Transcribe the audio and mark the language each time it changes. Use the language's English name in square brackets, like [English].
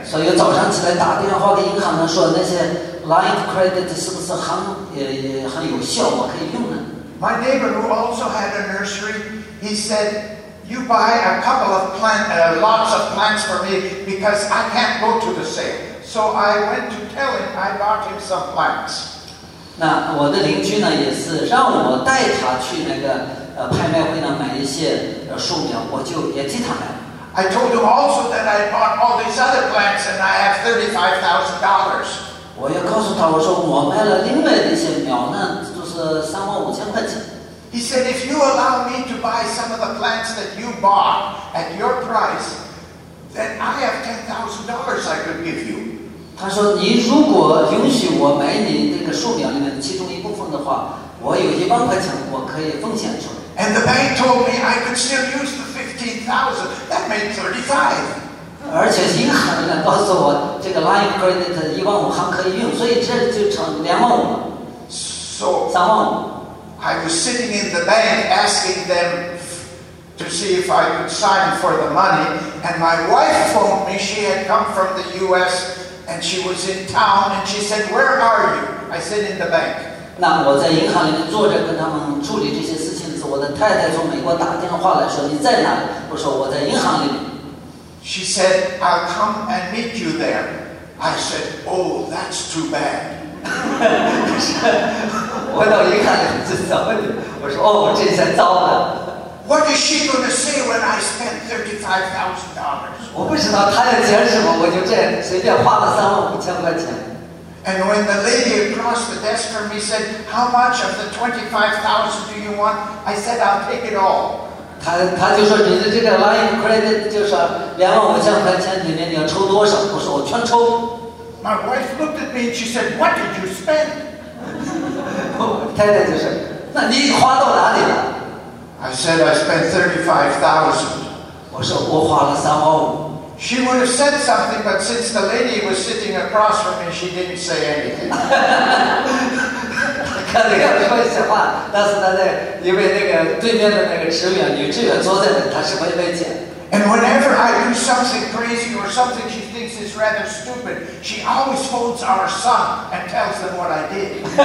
[Chinese] 所以早上起来打电话给银行呢，说那些 line credit 是不是很有效，我可以用呢？ [English] My neighbor who also had a nursery, he said, "You buy a couple of lots of plants for me because I can't go to the sale." So I went to tell him I bought him some plants. [Chinese] 那我的邻居呢，也是让我带他去那个。拍卖会呢，买一些树苗，我就也替他买。 [English] I told him also that I bought all these other plants and I have $35,000. [Chinese] 我也告诉他，我说我卖了另外的一些苗呢，就是35,000块钱。 [English] He said, if you allow me to buy some of the plants that you bought at your price, then I have $10,000 I could give you. [Chinese] 他说，你如果允许我买你那个树苗里面其中一部分的话。我有10,000块钱，我可以奉献出来。 [English] And the bank told me I could still use the $15,000. That made $35,000. [Chinese] 而且银行呢告诉我，这个 line credit 15,000还可以用，所以这就成25,000了。 [English] So [Chinese] 35,000。 [English] I was sitting in the bank asking them to see if I could sign for the money, and my wife phoned me. She had come from the U.S. and she was in town, and she said, "Where are you?" I said, "In the bank." [Chinese] 那我在银行里面坐着跟他们处理这些事情的时候，我的太太从美国打电话来说你在哪里？我说我在银行里面。 [English] She said, "I'll come and meet you there." I said, "Oh, that's too bad." [Chinese] 我到银行里面去找你，我说哦，这下糟了。 [English] What is she going to say when I spend $35,000? [Chinese] 我不知道她要讲什么，我就这样随便花了35,000块钱。 [English] And when the lady across the desk from me said, "How much of the 25,000 do you want?" I said, "I'll take it all." [Chinese] 他就说, 你的这个 line credit 就是 25,000 里面你要抽多少? 我说我全抽。 [English] My wife looked at me and she said, "What did you spend?" [Chinese] 太太就是, 那你花到哪里了? [English] I said, "I spent 35,000. [Chinese] 我说我花了35,000. [English] She would have said something, but since the lady was sitting across from me, she didn't say anything. And whenever I do something crazy or something she thinks is rather stupid, she always phones our son and tells them what I did.